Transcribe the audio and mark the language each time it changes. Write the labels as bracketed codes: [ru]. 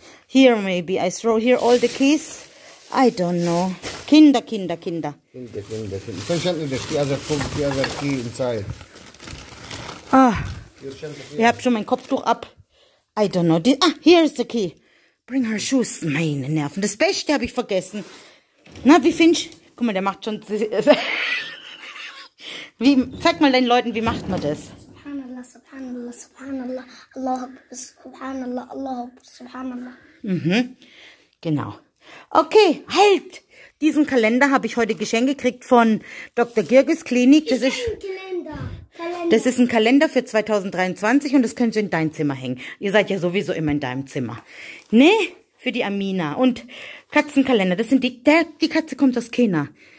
[en] Here maybe, I throw here all the keys. I don't know. Kinder. [de] Kinder. [en] The other phone, the other key inside. [de] Ah, ich hab schon mein Kopftuch ab. [en] I don't know. Here is the key. Bring her shoes. [de] Meine Nerven. Das Beste habe ich vergessen. Na, wie findest du? Guck mal, der macht schon... Zeig mal den Leuten, wie macht man das? [ar] Subhanallah, سبحان الله سبحان الله الله أكبر سبحان الله الله أكبر سبحان الله. [de] Genau. Okay, halt! Diesen Kalender habe ich heute geschenkt gekriegt von Dr. Gürges Klinik. Das ist ein Kalender. Das ist ein Kalender für 2023 und das könnt ihr in dein Zimmer hängen. Ihr seid ja sowieso immer in deinem Zimmer. Ne? Für die Amina. Und Katzenkalender, das sind die, der, die Katze kommt aus Kena.